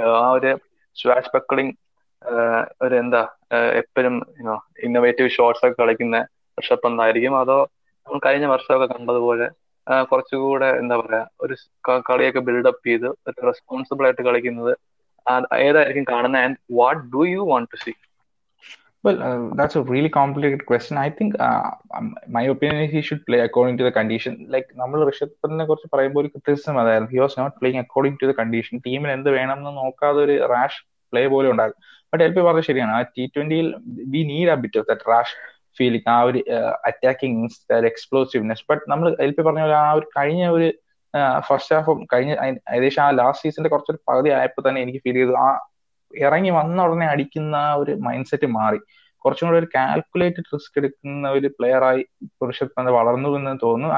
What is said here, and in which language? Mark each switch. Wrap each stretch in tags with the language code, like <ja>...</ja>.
<ml>ആ ഒരു സ്വാഷ്ബക്ലിംഗ്, ഒരു എന്താ എപ്പോഴും യുനോ ഇന്നോവേറ്റീവ് ഷോട്ട്സ് ഒക്കെ കളിക്കുന്ന ഋഷഭ് പന്ത് ആയിരിക്കും, അതോ നമ്മൾ കഴിഞ്ഞ വർഷമൊക്കെ കണ്ടതുപോലെ കുറച്ചുകൂടെ എന്താ പറയാ ഒരു കളിയൊക്കെ ബിൽഡപ്പ് ചെയ്ത് ഒരു റെസ്പോൺസിബിൾ ആയിട്ട് കളിക്കുന്നത് ഏതായിരിക്കും കാണുന്നത്?</ml> <en>And what do you want to see? Well, that's a really complicated question. I think my opinion is he should play according to the condition.</en> <ml>Like നമ്മൾ ഋഷഭ് പന്തിനെ കുറിച്ച് പറയുമ്പോൾ ഒരു ക്രിറ്റിസിസം അതായിരുന്നു,</ml> <en>He was not playing according to the condition.</en> <ml>ടീമിന് എന്ത് വേണമെന്ന് നോക്കാതെ ഒരു റാഷ് പ്ലേ പോലും ഉണ്ടായിരുന്നു. ബട്ട് എൽ പി പറഞ്ഞത് ശരിയാണ്, ആ T20</ml> <en>we need a bit of that rash feeling,</en> <ml>ആ ഒരു അറ്റാക്കിംഗ് എക്സ്പ്ലോസീവ്നെസ്. ബട്ട് നമ്മൾ എൽ പി പറഞ്ഞ പോലെ ആ ഒരു കഴിഞ്ഞ ഒരു ഫസ്റ്റ് ഹാഫും കഴിഞ്ഞ ഏകദേശം ആ ലാസ്റ്റ് സീസണിന്റെ കുറച്ചൊരു പകുതി ആയപ്പോൾ തന്നെ എനിക്ക് ഫീൽ ചെയ്തു ആ ഇറങ്ങി വന്ന ഉടനെ അടിക്കുന്ന ആ ഒരു മൈൻഡ് സെറ്റ് മാറി, കുറച്ചും കൂടെ ഒരു കാൽക്കുലേറ്റഡ് റിസ്ക് എടുക്കുന്ന ഒരു പ്ലെയർ ആയി ഋഷഭ് പന്ത് വളർന്നു എന്ന് തോന്നുന്നു.</ml>